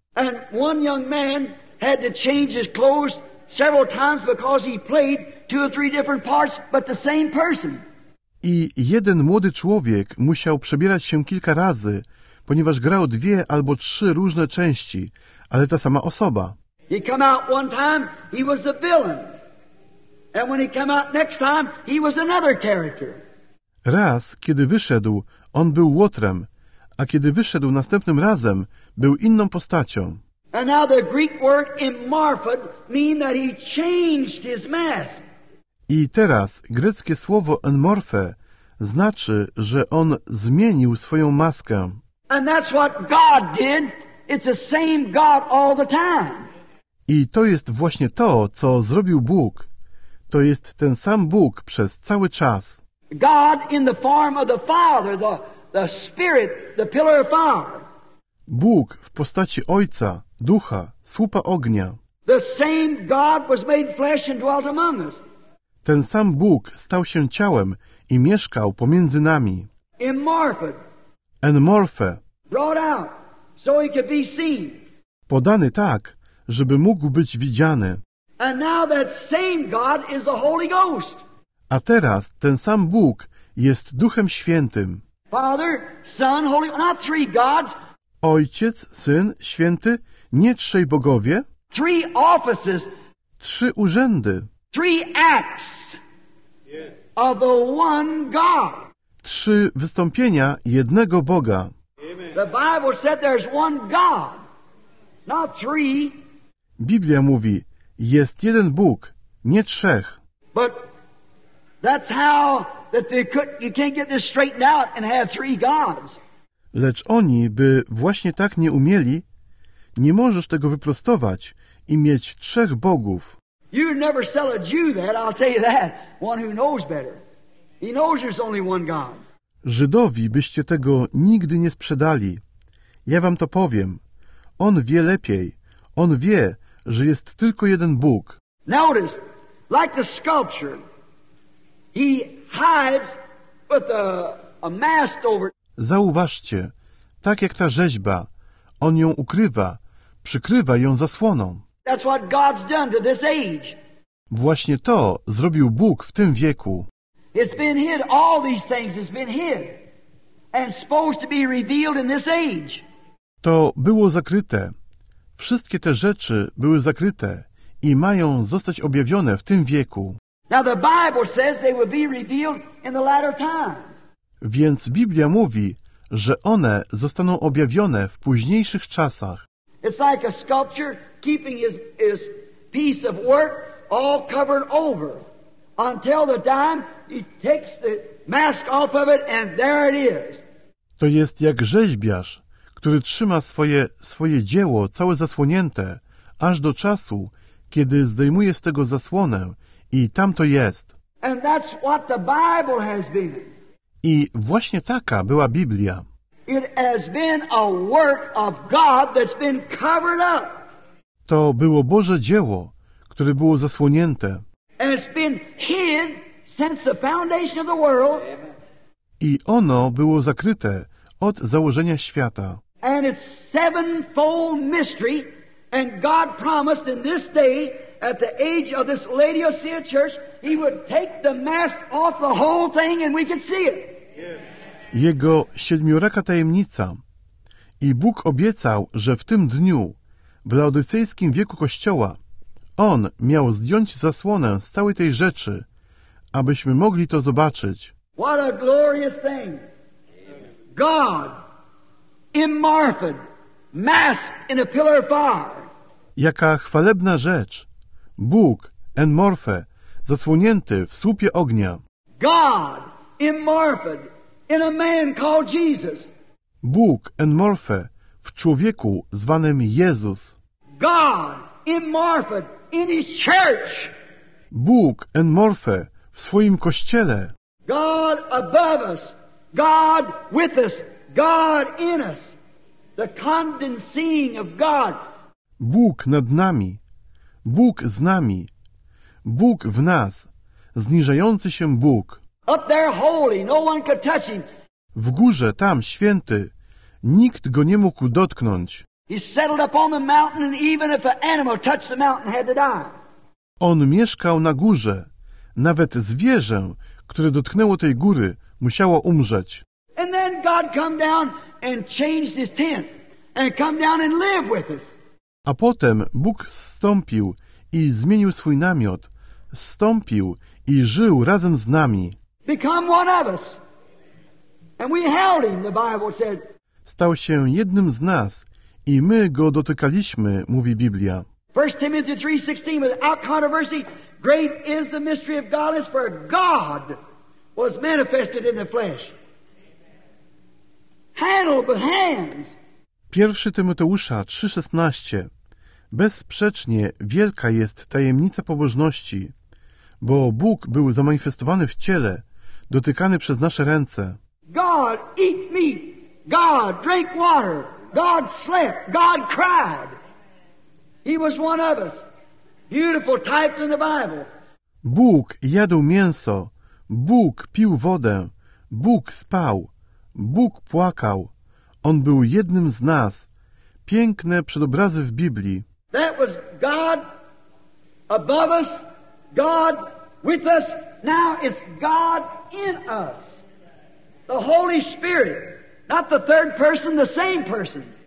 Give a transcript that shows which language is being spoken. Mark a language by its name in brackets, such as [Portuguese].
[English] And one young man had to change his clothes several times because he played two or three different parts, but the same person. [Polish] I jeden młody człowiek musiał przebierać się kilka razy, ponieważ grał dwie albo trzy różne części, ale ta sama osoba. [English] He came out one time, he was the villain. And when he came out next time, he was another character. [Polish] Raz, kiedy wyszedł, on był łotrem, a kiedy wyszedł następnym razem, był inną postacią. [English] And now the Greek word emorphed means that he changed his mask. [Polish] I teraz greckie słowo enmorfe znaczy, że on zmienił swoją maskę. [English] And that's what God did. It's the same God all the time. [Polish] I to jest właśnie to, co zrobił Bóg. To jest ten sam Bóg przez cały czas. [English] God in the form of the Father, the Spirit, the pillar of fire. [Polish] Bóg w postaci Ojca, Ducha, słupa ognia. [English] The same God was made flesh and dwelt among us. [Polish] Ten sam Bóg stał się ciałem i mieszkał pomiędzy nami. [English] Enmorfe. Brought out, so he could be seen. [Polish] Podany tak, żeby mógł być widziany. [English] And now that same God is the Holy Ghost. [Polish] A teraz ten sam Bóg jest Duchem Świętym. [English] Father, Son, Holy, not three gods. [Polish] Ojciec, Syn, Święty, nie trzej bogowie. [English] Three offices. [Polish] Trzy urzędy. [English] Three acts of the one God. [Polish] Trzy wystąpienia jednego Boga. [English] Amen. The Bible said there's one God, not three. [Polish] Biblia mówi, jest jeden Bóg, nie trzech. [English] But that's how that they could, you can't get this straightened out and have three gods. [Polish] Lecz oni by właśnie tak nie umieli, nie możesz tego wyprostować i mieć trzech bogów. [English] You'd never sell a Jew that, I'll tell you that, one who knows better. He knows there's only one God. [Polish] Żydowi byście tego nigdy nie sprzedali. Ja wam to powiem. On wie lepiej. On wie, że jest tylko jeden Bóg. [English] Notice, like the sculpture, he hides with a mask over. [Polish] Zauważcie, tak jak ta rzeźba, on ją ukrywa, przykrywa ją zasłoną. [English] That's what God's done to this age. [Polish] Właśnie to zrobił Bóg w tym wieku. [English] It's been hid, all these things has been hid, and supposed to be revealed in this age. [Polish] To było zakryte. Wszystkie te rzeczy były zakryte i mają zostać objawione w tym wieku. [English] Now the Bible says they will be revealed in the latter times. [Polish] Więc Biblia mówi, że one zostaną objawione w późniejszych czasach. [English] It's like a sculpture keeping his piece of work all covered over until the time he takes the mask off of it and there it is. [Polish] To jest jak rzeźbiarz, który trzyma swoje dzieło całe zasłonięte aż do czasu, kiedy zdejmuje z tego zasłonę i tam to jest. [English] And that's what the Bible has been. [Polish] I właśnie taka była Biblia. [English] It has been a work of God that's been covered up. [Polish] To było Boże dzieło, które było zasłonięte. [English] And it's been hid since the foundation of the world. [Polish] I ono było zakryte od założenia świata. [English] And it's sevenfold mystery, and God promised in this day, at the age of this Laodicea church, he would take the mask off the whole thing and we could see it. [Polish] Jego siedmioraka tajemnica. I Bóg obiecał, że w tym dniu, w laodycejskim wieku Kościoła, on miał zdjąć zasłonę z całej tej rzeczy, abyśmy mogli to zobaczyć. [English] What a glorious thing! God, immorphed, masked in a pillar of fire. [Polish] Jaka chwalebna rzecz! Bóg, enmorfe, zasłonięty w słupie ognia. [English] God, immorphed, in a man called Jesus. [Polish] Bóg, enmorfe, w człowieku zwanym Jezus. [English] God, immorphed, in his church. [Polish] Bóg, enmorfe, w swoim kościele. [English] God above us, God with us, God in us. The condensing of God. [Polish] Bóg nad nami, Bóg z nami, Bóg w nas, zniżający się Bóg. [English] Up there holy, no one could touch him. [Polish] W górze, tam, święty, nikt go nie mógł dotknąć. [English] He settled up on the mountain, and even if an animal touched the mountain, had to die. [Polish] On mieszkał na górze, nawet zwierzę, które dotknęło tej góry, musiało umrzeć. [English] And then God come down and changed his tent and come down and live with us. [Polish] A potem Bóg zstąpił i zmienił swój namiot, zstąpił i żył razem z nami. [English] Become one of us. And we held him, the Bible said. [Polish] Stał się jednym z nas i my go dotykaliśmy, mówi Biblia. [English] 1 Timothy 3:16, without controversy, great is the mystery of godliness, for God was manifested in the flesh. Handled with hands. [Polish] 1 Tymoteusza 3:16. Bezsprzecznie wielka jest tajemnica pobożności, bo Bóg był zamanifestowany w ciele, dotykany przez nasze ręce. [English] God eat meat. God drank water. God slept. God cried. He was one of us. Beautiful types in the Bible. [Polish] Bóg jadł mięso. Bóg pił wodę. Bóg spał. Bóg płakał. On był jednym z nas. Piękne przedobrazy w Biblii. [English] That was God above us, God with us. Now it's God in us. The Holy Spirit, not the third person, the same person.